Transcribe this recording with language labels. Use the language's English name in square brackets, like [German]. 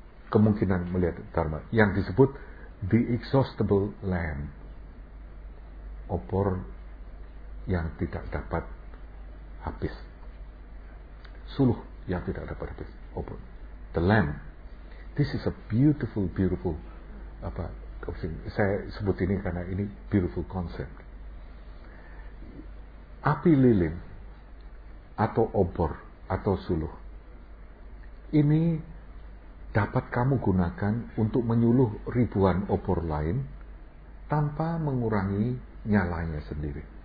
[Indonesian] Kemungkinan melihat dharma yang disebut [English] the exhaustible lamp, [Indonesian] opor yang tidak dapat habis, suluh yang tidak dapat habis, opor, [English] the lamp. This is a beautiful, beautiful [Indonesian] apa? Saya sebut ini karena ini beautiful concept. Api lilin atau obor atau suluh ini dapat kamu gunakan untuk menyuluh ribuan obor lain tanpa mengurangi nyalanya sendiri.